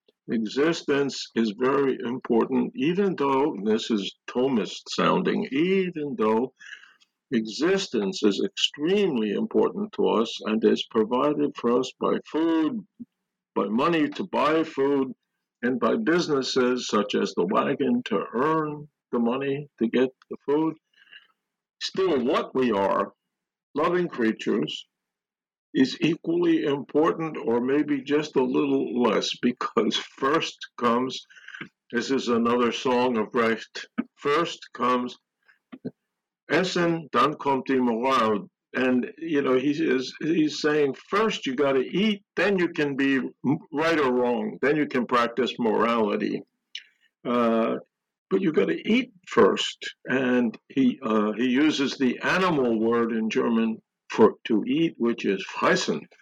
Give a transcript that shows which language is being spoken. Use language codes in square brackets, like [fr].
[en] Existence is very important, even though, this is Thomist sounding, even though existence is extremely important to us and is provided for us by food, by money to buy food, and by businesses such as the wagon to earn the money to get the food. Still, what we are, loving creatures, is equally important, or maybe just a little less, because first comes This is another song of Brecht. First comes [de] Essen, dann kommt die Moral. [en] And, you know, he's saying, first you got to eat, then you can be right or wrong, then you can practice morality. But you got to eat first. And he uses the animal word in German for to eat, which is Fressen.